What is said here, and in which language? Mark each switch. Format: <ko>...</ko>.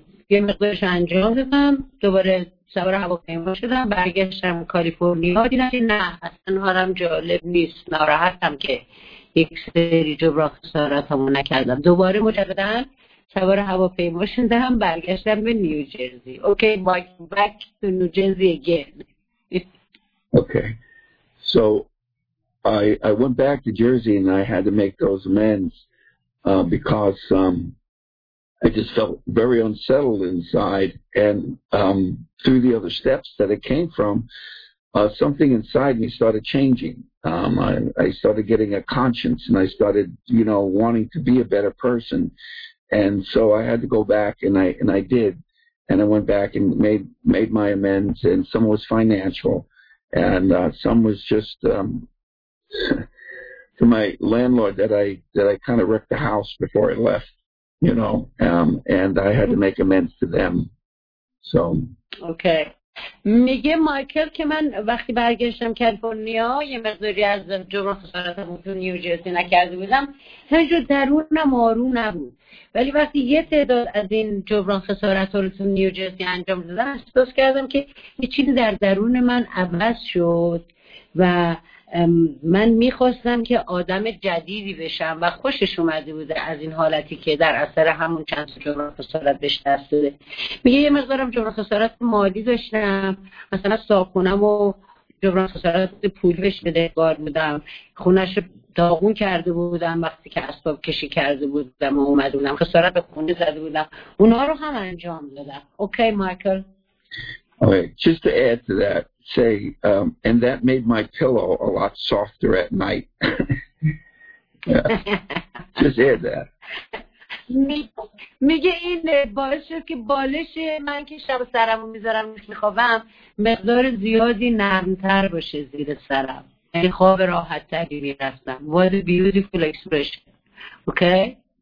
<fa>یه مقدارش انجام دادم. دوباره سوار هواپیما شدم برگشتم کالیفرنیا دیدم نه اصلا حالم جالب نیست ناراحتم که یک سری جبران خسارتامو نکردم دوباره مجددا سوار هواپیما شدم برگشتم به نیوجرسی اوکی</fa> <en>back to New Jersey again okay so I went back to Jersey and I had to make those amends because I just felt very unsettled inside, and through the other steps that it came from, something inside me started changing. I started getting a conscience, and I started, you know, wanting to be a better person. And so I had to go back, and I did, and I went back and made my amends. And some was financial, and some was just to my landlord that I kind of wrecked the house before I left. You know, and I had to make amends to them. So. Okay.</en> <fa>میگه مایکل که من وقتی برگشتم کالیفرنیا یه مقداری از جبران خسارتم تو نیوجرسی نکرده بودم همینجور درونم آروم نبود ولی وقتی یه تعداد از این جبران خسارت رو تو نیوجرسی انجام دادم احساس کردم که یه چیزی در درون من عوض شد و من میخواستم که آدم جدیدی بشم و خوشش اومده بوده از این حالتی که در اثر همون چند جبران خسارت بهش دست داده میگه یه مقدارم جبران خسارت مالی داشتم مثلا صابونم و جبران خسارت پول بهش بدهکار بودم خونش رو داغون کرده بودم وقتی که اسباب کشی کرده بودم و اومده بودم خسارت به خونه زده بودم اونا رو هم انجام دادم اوکی مایکل</fa> <en>okay just to add to that say and that made my pillow a lot softer at night just add that</en> <fa>میگه این باعث شد که بالش من که شب سرمو میذارم میخوابم مقدار زیادی نرمتر باشه زیر سرم یعنی خواب راحت تری میرفتم</fa> <en>what a beautiful expression okay</en>